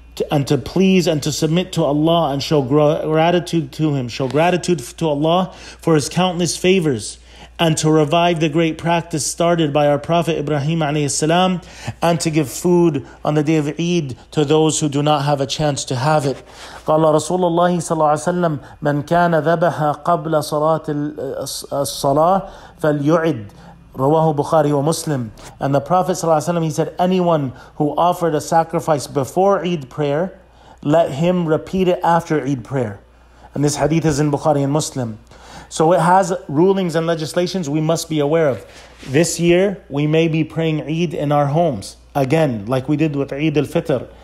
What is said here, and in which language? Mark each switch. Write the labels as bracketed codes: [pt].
[en] And to please and to submit to Allah and show gratitude to Him. Show gratitude to Allah for His countless favors. And to revive the great practice started by our Prophet Ibrahim alayhis salam, and to give food on the day of Eid to those who do not have a chance to have it. [ar] قال رسول الله صلى الله عليه وسلم من كان ذبح قبل صلاة الصلاة فليعد. رواه بخاري ومسلم. [en] And the Prophet صلى الله عليه وسلم, He said, anyone who offered a sacrifice before Eid prayer, let him repeat it after Eid prayer. And this hadith is in Bukhari and Muslim. So it has rulings and legislations we must be aware of. This year, we may be praying Eid in our homes, again, like we did with Eid al-Fitr.